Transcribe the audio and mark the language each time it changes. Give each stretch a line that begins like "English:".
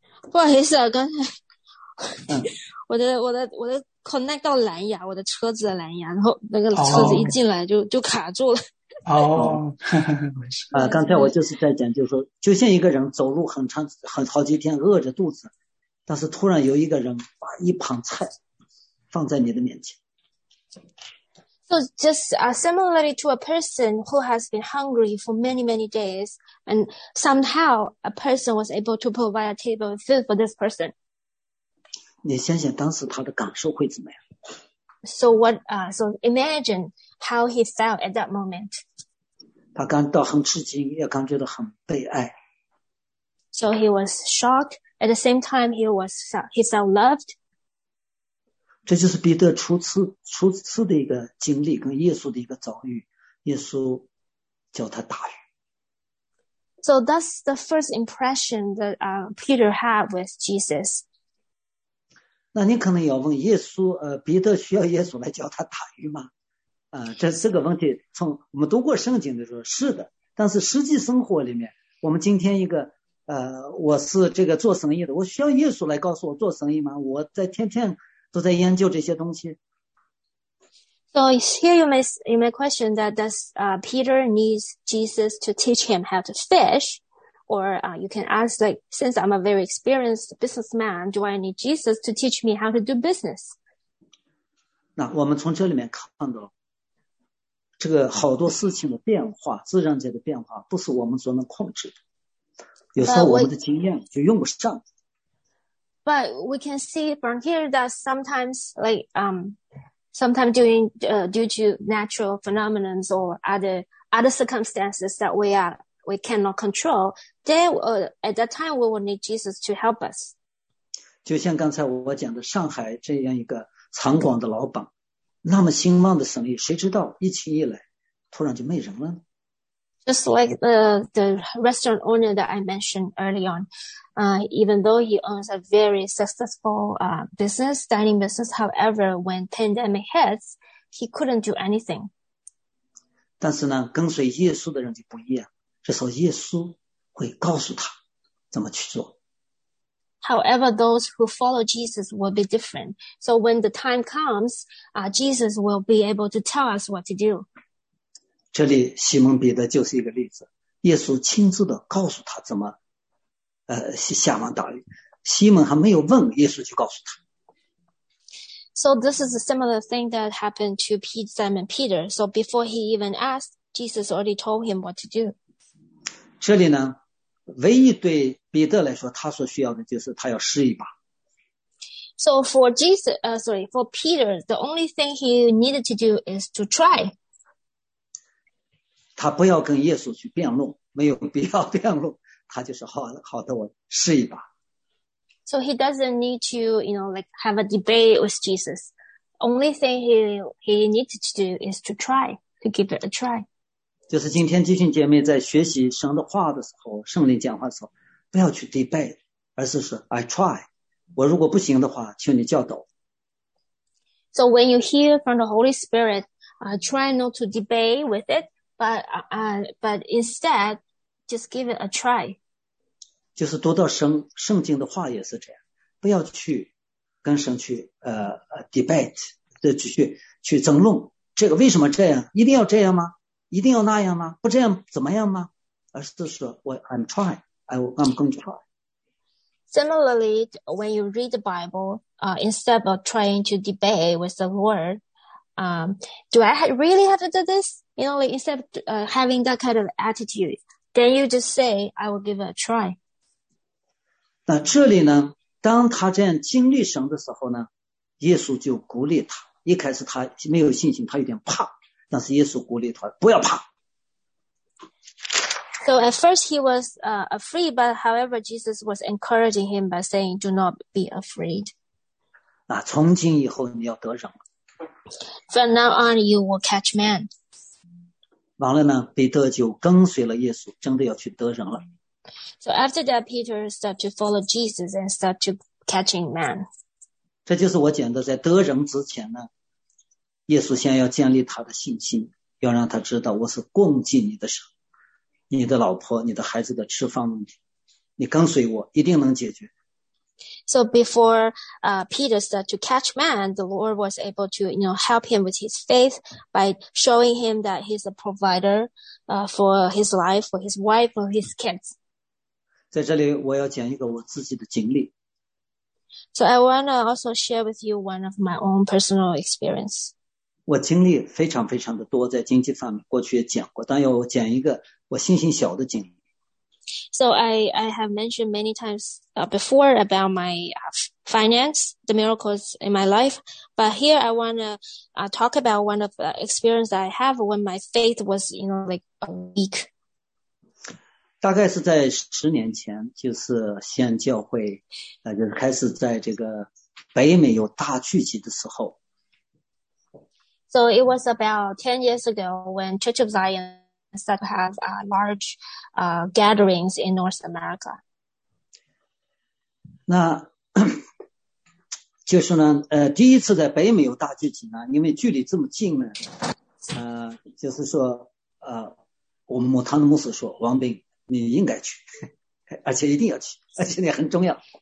Chinese: 不好意思啊，刚才我的 connect 到蓝牙，我的车子的蓝牙，然后那个车子一进来就卡住了。没事。刚才我就是在讲，就是说，就像一个人走路很长很好几天，饿着肚子，但是突然有一个人把一盘菜放在你的面前。
English: So just similarly to a person who has been hungry for many, many days, and somehow a person was able to provide a table of food for this person.
Chinese: 你想想当时他的感受会怎么样？
English: So what, so imagine how he felt at that moment.
Chinese: 他感到很吃惊，也感觉到很被爱。
English: So he was shocked. At the same time, he felt loved.
Chinese: 这就是彼得初次的一个经历，跟耶稣的一个遭遇。耶稣叫他打鱼。
English: So that's the first impression that Peter had with Jesus.
Chinese: 那你可能要问耶稣，彼得需要耶稣来叫他打鱼吗？这个问题，从我们读过圣经的时候是的，但是实际生活里面，我们今天一个我是这个做生意的，我需要耶稣来告诉我做生意吗？我在天天。都在研究这些东西。
English: So here you may question that does Peter needs Jesus to teach him how to fish, or you can ask like since I'm a very experienced businessman, do I need Jesus to teach me how to do business?
Chinese: 那我们从这里面看到，这个好多事情的变化，自然界的变化，不是我们所能控制的。有时候我们的经验就用不上。
English: But we can see from here that sometimes, due to natural phenomena or other circumstances that we cannot control, then at that time we will need Jesus to help us.
Chinese: 就像刚才我讲的，上海这样一个长广的老板，那么兴旺的生意，谁知道疫情一来，突然就没人了呢？
English: Just like the restaurant owner that I mentioned early on, even though he owns a very successful business, dining business, however, when pandemic hits, he couldn't do anything.
Chinese: 但是呢，跟随耶稣的人就不一样，这时候耶稣会告诉他怎么去做。
English: However, those who follow Jesus will be different. So when the time comes, Jesus will be able to tell us what to do.
Chinese: 这里西蒙彼得就是一个例子，耶稣亲自的告诉他怎么下网打鱼，西蒙还没有问，耶稣就告诉他。
English: So this is a similar thing that happened to Simon Peter. So before he even asked, Jesus already told him what to do.
Chinese: 这里呢，唯一对彼得来说，他所需要的就是他要试一把。
English: So for Jesus, for Peter, the only thing he needed to do is to try.
Chinese: 他不要跟耶稣去辩论，没有必要辩论。他就是好好的，我试一把。
English: So he doesn't need to, have a debate with Jesus. Only thing he needs to do is to try, to give it a try.
Chinese: 就是今天弟兄姐妹在学习神的话的时候，圣灵讲话的时候，不要去 debate， 而是说
English: I try。
Chinese: 我如果不行的话，求你教导。
English: So when you hear from the Holy Spirit, try not to debate with it. But instead, just give it a try.
Chinese: 就是读到圣经的话也是这样，不要去跟神去debate 的去争论，这个为什么这样？一定要这样吗？一定要那样吗？不这样怎么样吗？而是说我
English: I'm going to try. Similarly, when you read the Bible, instead of trying to debate with the Lord, do I really have to do this? instead of having that kind of attitude, then you just say, I will give it a try.
Chinese: 那这里呢，当他这样经历神的时候呢，耶稣就鼓励他。一开始他没有信心，他有点怕，但是耶稣鼓励他，不要怕。
English: So at first he was afraid, but however, Jesus was encouraging him by saying, do not be afraid.
Chinese: 那从今以后你要得人。
English: From now on, you will catch men.
Chinese: 完了呢，彼得就跟随了耶稣，真的要去得人了。
English: So after that, Peter started to follow Jesus and started to catching man.
Chinese: 这就是我讲的，在得人之前呢，耶稣先要建立他的信心，要让他知道我是供给你的神，你的老婆、你的孩子的吃饭问题，你跟随我，一定能解决。
English: So before Peter started to catch man, the Lord was able to, you know, help him with his faith by showing him that he's a provider for his life, for his wife, for his kids.
Chinese: 在这里我要讲一个我自己的经历。
English: So I want to also share with you one of my own personal experience.
Chinese: 我经历非常非常的多，在经济方面过去也讲过，但要我讲一个我信心小的经历。
English: So I have mentioned many times before about my finance, the miracles in my life. But here I want to talk about one of the experience that I have when my faith was, you know, like a week.
Chinese: 大概是在十年前，就是西安教会，就是开始在这个北美有大聚集的时候。
English: So it was about 10 years ago when Church of Zion started to have large gatherings in North America.
Chinese: 那就是呢，第一次在北美有大聚集呢，因为距离这么近呢，就是说，我们牧堂的牧师说，王斌，你应该去，而且一定要去，而且你很重要。